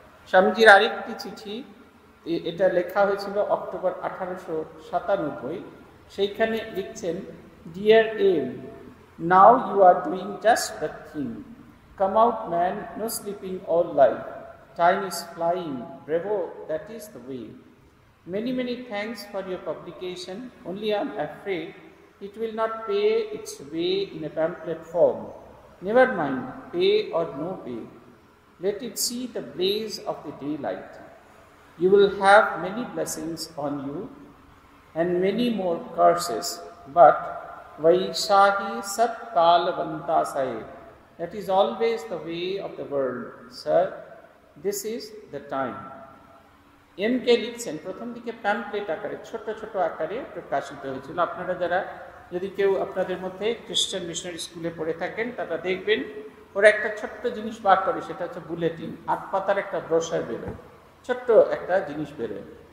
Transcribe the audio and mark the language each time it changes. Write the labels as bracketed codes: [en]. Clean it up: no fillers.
[bn] স্বামীজির আরেকটি চিঠি, এটা লেখা হয়েছিল অক্টোবর 1897, সেইখানে লিখছেন, [en] Dear M, now you are doing just the thing, come out man, no sleeping all life, time is flying, bravo, that is the way. Many, many thanks for your publication, only I am afraid it will not pay its way in a pamphlet form. Never mind, pay or no pay, let it see the blaze of the daylight. You will have many blessings on you and many more curses, but Vaishahi Sat Kal Vanta Sahib, that is always the way of the world, sir, this is the time. [bn] M K লিখছেন, প্রথম দিকে pamphlet আকারে ছোট ছোট আকারে প্রকাশিত হয়েছিল। আপনারা যারা, যদি কেউ আপনাদের মধ্যে খ্রিস্টান মিশনারি স্কুলে পড়ে থাকেন, তারা দেখবেন ওরা একটা ছোট্ট জিনিস বার করে, সেটা হচ্ছে বুলেটিন, 8 পাতার একটা ব্রোশার বেরোয়, ছোট্ট একটা জিনিস বেরোয়।